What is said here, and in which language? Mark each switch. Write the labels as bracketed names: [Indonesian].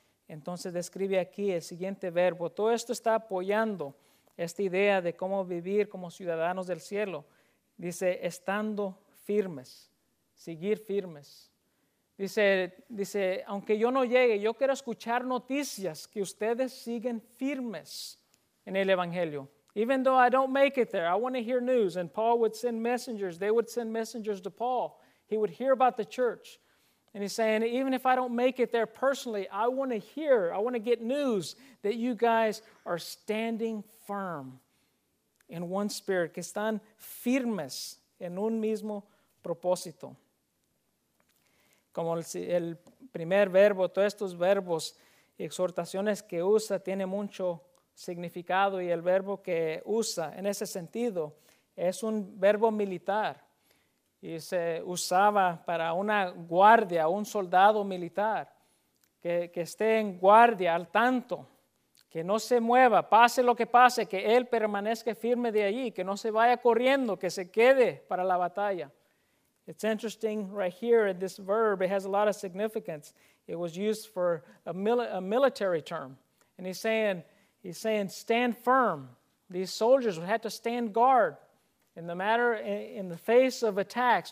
[Spanish] Entonces describe aquí el siguiente verbo. Todo esto está apoyando esta idea de cómo vivir como ciudadanos del cielo. Dice, estando firmes, seguir firmes. Dice, aunque yo no llegue, yo quiero escuchar noticias que ustedes siguen firmes en el Evangelio. [English] Even though I don't make it there, I want to hear news. And Paul would send messengers. They would send messengers to Paul. He would hear about the church. And he's saying, even if I don't make it there personally, I want to hear, I want to get news that you guys are standing firm in one spirit, [Spanish] que están firmes en un mismo propósito. Como el primer verbo, todos estos verbos y exhortaciones que usa tiene mucho significado, y el verbo que usa en ese sentido es un verbo militar. Y se usaba para una guardia, un soldado militar, que esté en guardia, al tanto, Que no se mueva, pase lo que pase, que él permanezca firme de allí, que no se vaya corriendo, que se quede para la batalla. [English] It's interesting right here, this verb, it has a lot of significance. It was used for a military term. And he's saying, stand firm. These soldiers would have to stand guard in the face of attacks.